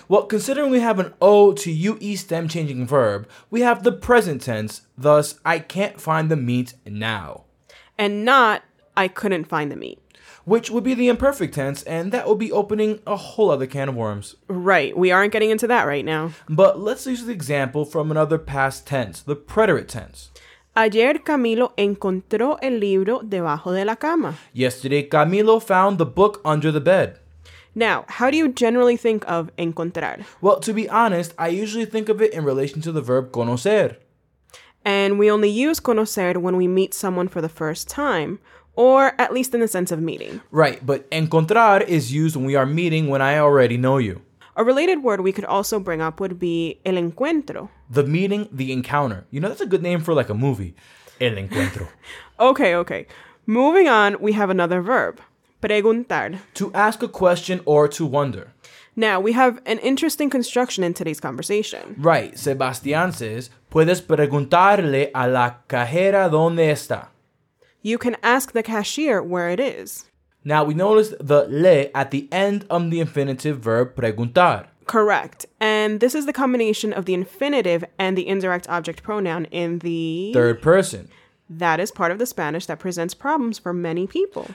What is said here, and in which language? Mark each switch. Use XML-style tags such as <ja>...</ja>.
<en>Well, considering we have an O to UE stem changing verb, we have the present tense, thus, I can't find the meat now. And not, I couldn't find the meat. Which would be the imperfect tense, and that would be opening a whole other can of worms. Right, we aren't getting into that right now. But let's use the example from another past tense, the preterite tense.</en> <es>Ayer Camilo encontró el libro debajo de la cama.</es> <en>Yesterday Camilo found the book under the bed. Now, how do you generally think of encontrar? Well, to be honest, I usually think of it in relation to the verb conocer. And we only use conocer when we meet someone for the first time, or at least in the sense of meeting. Right, but encontrar is used when we are meeting when I already know you. A related word we could also bring up would be el encuentro. The meeting, the encounter. You know, that's a good name for like a movie.</en> <es>El encuentro.</es> <en>Okay. Moving on, we have another verb. Preguntar. To ask a question or to wonder. Now, we have an interesting construction in today's conversation. Right. Sebastián says,</en> <es>puedes preguntarle a la cajera dónde está.</es> <en>You can ask the cashier where it is. Now, we notice the le at the end of the infinitive verb preguntar. Correct. And this is the combination of the infinitive and the indirect object pronoun in the third person. That is part of the Spanish that presents problems for many people.</en>